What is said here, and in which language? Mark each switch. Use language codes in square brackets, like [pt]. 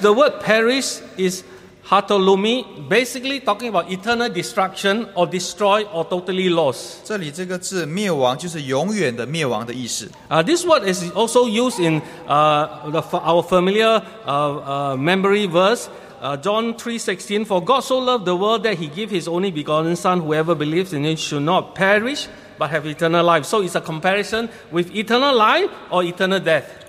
[en] The word perish is hatolumi, basically talking about eternal destruction or destroy or totally lost. [zh] 这里这个字灭亡就是永远的灭亡的意思。 [en] This word is also used in our familiar memory verse, John 3:16. For God so loved the world that he gave his only begotten son, whoever believes in him should not perish but have eternal life. So it's a comparison with eternal life or eternal death.